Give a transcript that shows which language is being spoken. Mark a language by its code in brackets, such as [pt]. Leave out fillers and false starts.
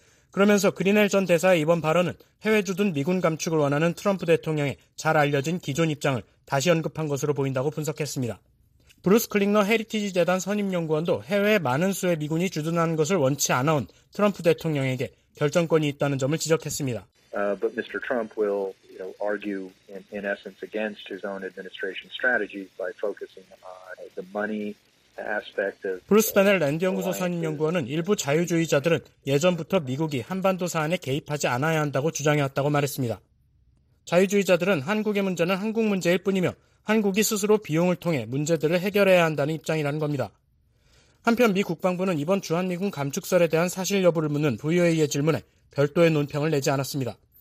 [ko] 그러면서 그린헬 전 대사의 이번 발언은 해외 주둔 미군 감축을 원하는 트럼프 대통령의 잘 알려진 기존 입장을 다시 언급한 것으로 보인다고 분석했습니다. 브루스 클링너 헤리티지 재단 선임연구원도 해외에 많은 수의 미군이 주둔하는 것을 원치 않아온 트럼프 대통령에게 결정권이 있다는 점을 지적했습니다. [en] But Mr. Trump will, you know, argue in essence against his own administration strategy by focusing on the money aspect of. [ko] 브루스 베넬 랜드 연구소 선임연구원은 일부 자유주의자들은 예전부터 미국이 한반도 사안에 개입하지 않아야 한다고 주장해왔다고 말했습니다. 자유주의자들은 한국의 문제는 한국 문제일 뿐이며 한국이 스스로 비용을 통해 문제들을 해결해야 한다는 입장이라는 겁니다. 한편 미 국방부는 이번 주한미군 감축설에 대한 사실 여부를 묻는 VOA의 질문에 별도의 논평을 내지 않았습니다.